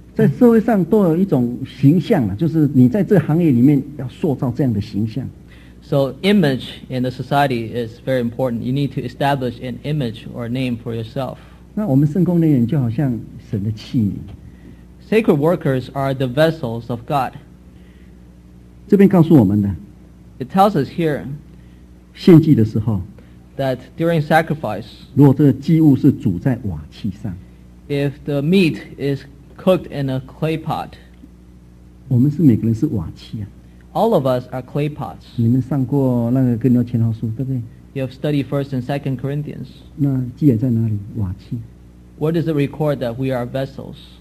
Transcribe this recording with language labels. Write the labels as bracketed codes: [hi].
[zh] 在社会上都有一种形象，就是你在这个行业里面要塑造这样的形象。 [en] So image in the society is very important. You need to establish an image or name for yourself. [zh] 那我们圣工人员就好像神的器皿。 [en] Sacred workers are the vessels of God. [zh] 这边告诉我们的。 [en] It tells us here. [zh] 献祭的时候, [en] that during sacrifice, [zh] 如果这个祭物是煮在瓦器上, [en] if the meat is cooked in a clay pot, [zh] 我们是每个人是瓦器啊。 [en] All of us are clay pots. [zh] 你们上过那个哥林多前后书，对不对？ [en] You have studied 1st and 2nd Corinthians. [zh] 那记载在哪里？瓦器。 [en] Where does it record that we are vessels?